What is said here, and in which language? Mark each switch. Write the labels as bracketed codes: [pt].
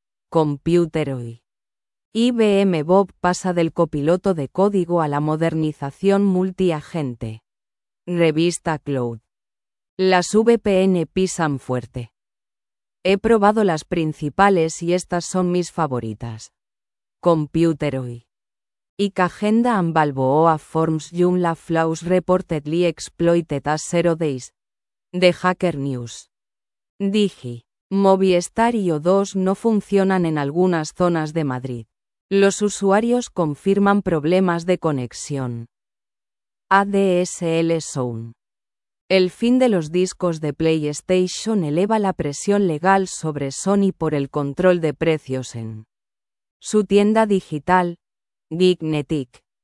[es] Computeroy. IBM Bob pasa del copiloto de código a la modernización multiagente. Revista Cloud. Las VPN pisan fuerte. He probado las principales y estas son mis favoritas. Computeroy. [en] IKAgenda and Balboa Forms Joomla Flaws reportedly exploited as 0 days. The Hacker News. Digi. [es] Movistar y O2 no funcionan en algunas zonas de Madrid. Los usuarios confirman problemas de conexión. ADSL Zone. El fin de los discos de PlayStation eleva la presión legal sobre Sony por el control de precios en su tienda digital, Dignetic.